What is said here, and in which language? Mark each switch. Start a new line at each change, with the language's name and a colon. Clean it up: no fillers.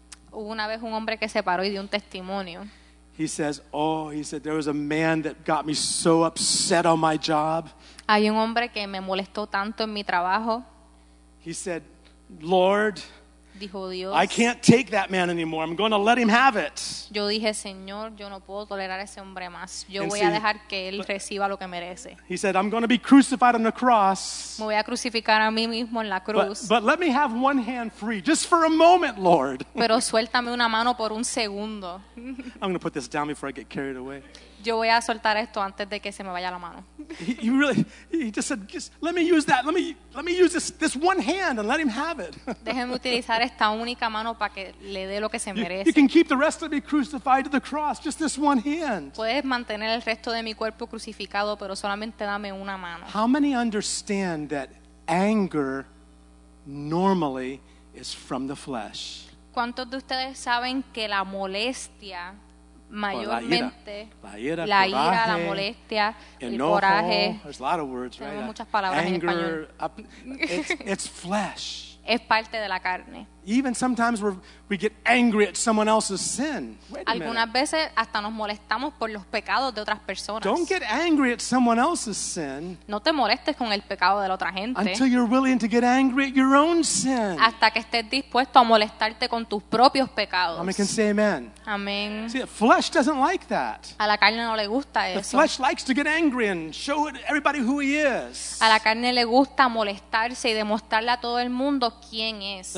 Spanish: Hubo una vez un hombre que se paró y dio un testimonio.
English: He says, oh, he said, there was a man that got me so upset on my job.
Spanish: Hay un hombre que me molestó tanto en mi trabajo.
English: He said, Lord,
Spanish: dijo Dios,
English: I can't take that man anymore. I'm going to let him have it.
Spanish: Yo dije, Señor, yo no puedo tolerar a ese hombre más. Yo voy a dejar que él reciba lo que merece.
English: He said, I'm going to be crucified on the cross.
Spanish: Me voy a crucificar a mí mismo en la cruz.
English: But let me have one hand free, just for a moment, Lord.
Spanish: Pero suéltame una mano por un segundo.
English: I'm going to put this down before I get carried away.
Spanish: Yo voy a soltar esto antes de que se me vaya la mano.
English: He just said, let me use that. Let me use this one hand and let him have it.
Spanish: Déjeme utilizar esta única mano para que le dé lo que se merece.
English: You can keep the rest of me crucified to the cross, just this one hand.
Spanish: Puedes mantener el resto de mi cuerpo crucificado, pero solamente dame una mano.
English: How many understand that anger normally is from the flesh?
Spanish: ¿Cuántos de ustedes saben que la molestia mayormente, la ira, la molestia, enojo, el coraje,
English: there's a lot of words, right?
Spanish: Tenemos muchas palabras
English: anger,
Spanish: en español.
English: It's flesh.
Spanish: Es parte de la carne.
English: Even sometimes we get angry at someone else's sin.
Spanish: Algunas veces hasta nos molestamos por los pecados de otras personas.
English: Don't get angry at someone else's sin.
Spanish: No te molestes con el pecado de la otra gente.
English: Until you're willing to get angry at your own sin.
Spanish: Hasta que estés dispuesto a molestarte con tus propios pecados.
English: I can say amen. Amen. See, the flesh doesn't like that.
Spanish: A la carne no le gusta eso.
English: The flesh likes to get angry and show everybody who he is.
Spanish: A la carne le gusta molestarse y demostrarle a todo el mundo quién es.